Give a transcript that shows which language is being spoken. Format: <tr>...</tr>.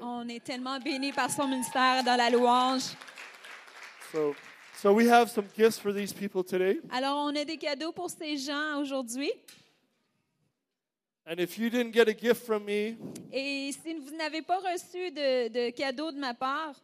<fr>On est tellement bénis par son ministère dans la louange.</fr> <en>So we have some gifts for these people today.</en> <fr>Alors on a des cadeaux pour ces gens aujourd'hui.</fr> <en>And if you didn't get a gift from me,</en> <fr>et si vous n'avez pas reçu de cadeau de ma part,</fr>